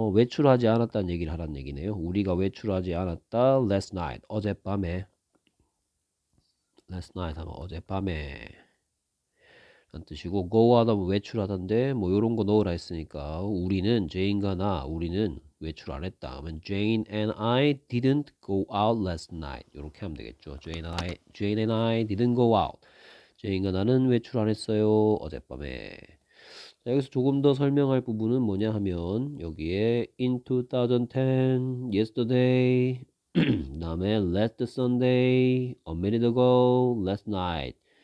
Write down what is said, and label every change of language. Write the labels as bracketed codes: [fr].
[ko] 외출하지 않았다는 얘기를 하란 얘기네요. 우리가 외출하지 않았다. [en] Last night. [ko] 어젯밤에. [en] Last night [ko] 하면 어젯밤에. 라는 뜻이고, go out 하면 외출하던데, 뭐, 요런 거 넣으라 했으니까, 우리는, 제인과 나, 우리는 외출 안 했다. 하면 [en] Jane and I didn't go out last night. [ko] 요렇게 하면 되겠죠. [en] Jane and I didn't go out. [ko] 제인과 나는 외출 안 했어요. 어젯밤에. 자, 여기서 조금 더 설명할 부분은 뭐냐 하면, 여기에 [en] in 2010, yesterday, [ko] 다음에 [en] last Sunday, a minute ago, last night.